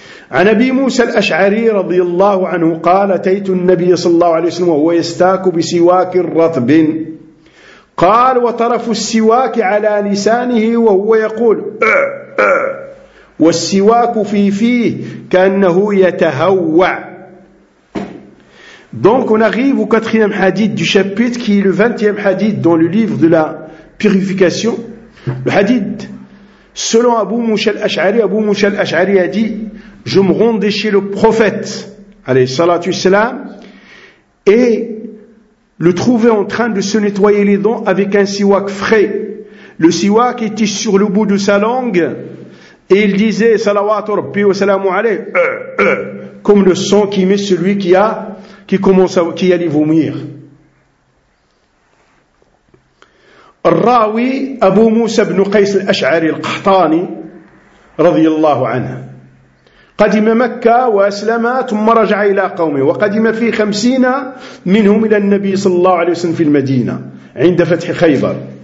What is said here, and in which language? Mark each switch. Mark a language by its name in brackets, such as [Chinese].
[Arabic] عن أبي موسى الأشعري رضي الله عنه قال أتيت النبي صلى الله عليه وسلم وهو يستاك بسواك رطب, قال وطرف السواك على لسانه وهو يقول والسواك في فيه كأنه يتهوع. [French] Donc on arrive au quatrième hadith du chapitre qui est le 20e hadith dans le livre de la purification. Le hadith, selon Abu Musa al-Ash'ari, Abu Musa al-Ash'ari a dit, je me rendais chez le prophète, alayhi salatu wassalam, et le trouvais en train de se nettoyer les dents avec un siwak frais. Le siwak était sur le bout de sa langue, et il disait, salawatu rabbi wa salamu alayhi, comme le sang qui met celui qui a qui commence à, qui allait vomir. [Arabic] Rawi Abu Musa ibn Qais al-Ash'ari al-Qahtani radiyallahu anhu قدم مكة وأسلم ثم رجع إلى قومه وقدم في 50 منهم إلى النبي صلى الله عليه وسلم في المدينة عند فتح خيبر